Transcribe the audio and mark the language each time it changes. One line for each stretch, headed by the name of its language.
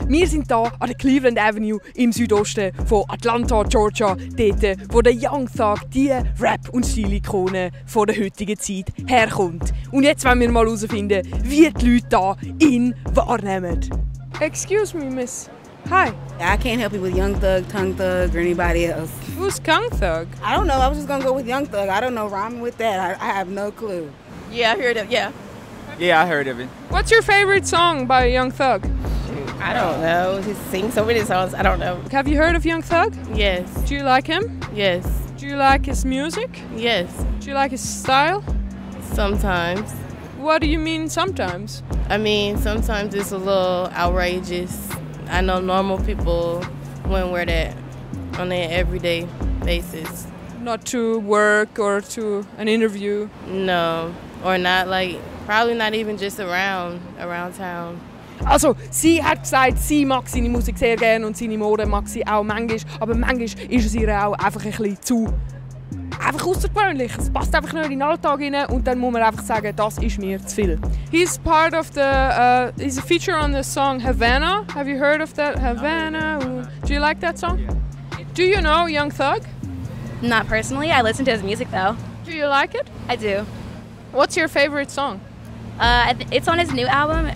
German: Wir sind hier an der Cleveland Avenue im Südosten von Atlanta, Georgia. Dort, wo der Young Thug, die Rap- und Stilikone von der heutigen Zeit herkommt. Und jetzt wollen wir mal herausfinden, wie die Leute hier ihn wahrnehmen.
English: Excuse me, miss. Hi. I can't help you with Young Thug, Tongue Thug, or anybody else. Who's Tongue Thug? I don't know. I was just gonna go with Young Thug. I don't know. Rhyme with that. I have no clue. Yeah, I heard it. Yeah. Yeah, I heard of it. What's your favorite song by Young Thug? I don't know. He sings so many songs. I don't know. Have you heard of Young Thug? Yes. Do you like him? Yes. Do you like his music? Yes. Do you like his style? Sometimes. What do you mean sometimes? I mean, sometimes it's a little outrageous. I know normal people wouldn't wear that on an everyday basis. Not to work or to an interview? No. Or not like... Probably not even just around town.
German: Also, sie hat gesagt, sie mag seine Musik sehr gerne und seine Mode mag sie auch manchmal. Aber manchmal ist es ihr auch einfach ein bisschen zu einfach außergewöhnlich. Es passt einfach nur in den Alltag rein und dann muss man einfach sagen, das ist mir zu viel.
English: He's part of the, he's a feature on the song Havana. Have you heard of that? Havana. Do you like that song? Do you know Young Thug? Not personally. I listen to his music though. Do you like it? I do. What's your favorite song? It's on his new album.